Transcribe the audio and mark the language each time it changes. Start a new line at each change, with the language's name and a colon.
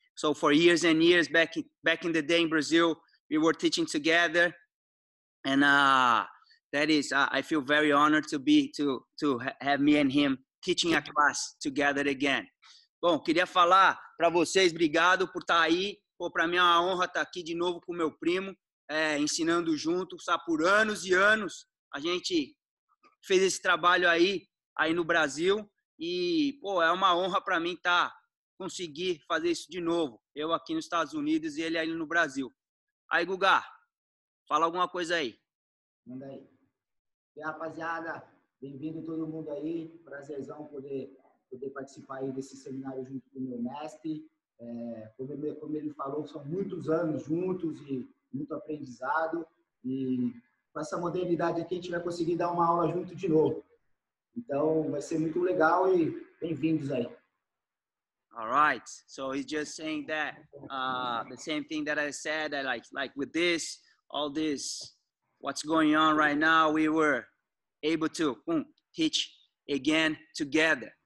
English: So for years and years, back in the day in Brazil, we were teaching together. And that is, I feel very honored to be, to have me and him teaching a class together again.
Portuguese: Bom, queria falar para vocês, obrigado por estar aí. Pô, para mim é uma honra estar aqui de novo com meu primo, ensinando junto. Sabe, por anos e anos, a gente fez esse trabalho aí no Brasil. E, pô, é uma honra para mim conseguir fazer isso de novo. Eu aqui nos Estados Unidos e ele aí no Brasil. Aí, Guga, fala alguma coisa aí. Manda aí. E aí, rapaziada, bem-vindo todo mundo aí. Prazerzão poder participar aí desse seminário junto com o meu mestre. É, como ele falou, são muitos anos juntos e muito aprendizado. E com essa modernidade aqui, a gente vai conseguir dar uma aula junto de novo. Então, vai ser muito legal e bem-vindos aí.
English: All right. So he's just saying that the same thing that I said, I like with this, all this, what's going on right now, we were able to teach again together.